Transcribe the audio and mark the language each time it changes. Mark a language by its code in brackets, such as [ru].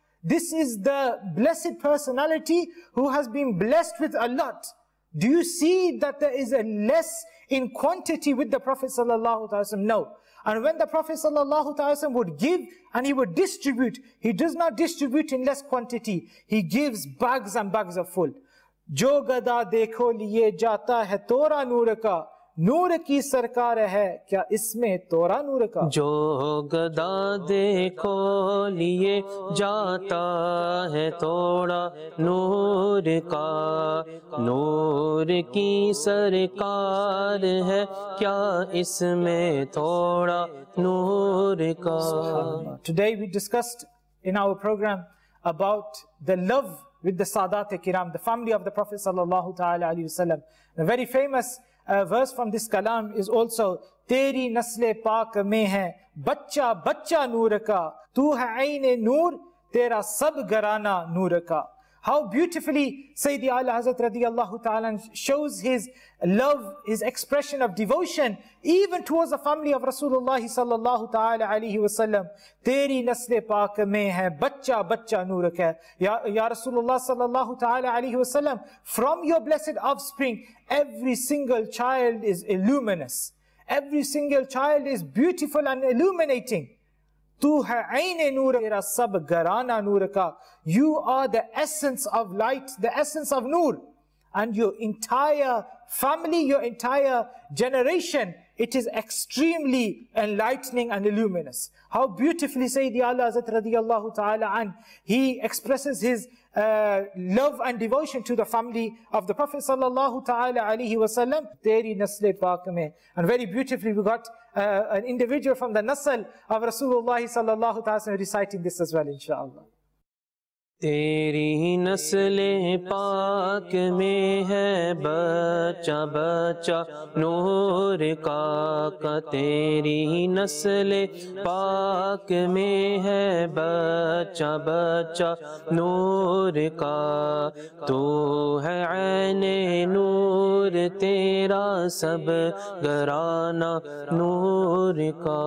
[en] This is the blessed personality who has been blessed with a lot. Do you see that there is a less in quantity with the Prophet sallallahu ta'ala sallam? No. And when the Prophet sallallahu ta'ala wasallam would give and he would distribute, he does not distribute in less quantity. He gives bags and bags of full. [ur] جو گدا دیکھو لیے جاتا ہے تورا نور کا، نور کی سرکار ہے کیا اس میں تورا نور کا جو گدا دیکھو لیے جاتا ہے تورا نور کا نور کی سرکار ہے کیا اس میں تورا نور کا [en] Today we discussed in our program about the love with the Sadat Kiram, the family of the Prophet sallallahu ta'ala alayhi wasallam. A very famous verse from this kalam is also [ur] تیری نسلِ پاک میں ہے بچہ بچہ نور کا تو ہے عینِ نور تیرا سب گھرانا نور کا۔ [en] How beautifully Sayyidi Ala Hazrat radiyallahu ta'ala shows his love, his expression of devotion even towards the family of Rasulullah sallallahu ta'ala alayhi wa sallam. [ur] تیری نسلِ پاک میں ہے بچہ بچہ نور کا۔ [en] Ya Rasulullah sallallahu ta'ala alayhi wa sallam, from your blessed offspring every single child is luminous. Every single child is beautiful and illuminating. [ur] تو ہے عینِ نور تیرا سب گھرانا نور کا۔ [en] You are the essence of light, the essence of noor. And your entire family, your entire generation, it is extremely enlightening and luminous. How beautifully Sayyidi Ala Hazrat radiyallahu ta'ala an, he expresses his love and devotion to the family of the Prophet sallallahu ta'ala alayhi wa sallam. [ur] تیری نسلِ پاک میں۔ [en] And very beautifully we got an individual from the nasl of Rasulullah sallallahu ta'ala alayhi wa sallam reciting this as well, inshaAllah. [ur] تیری نسل پاک میں ہے بچہ بچہ نور کا تیری نسل پاک میں ہے بچہ بچہ نور کا تو ہے عین نور تیرا سب گرانا نور کا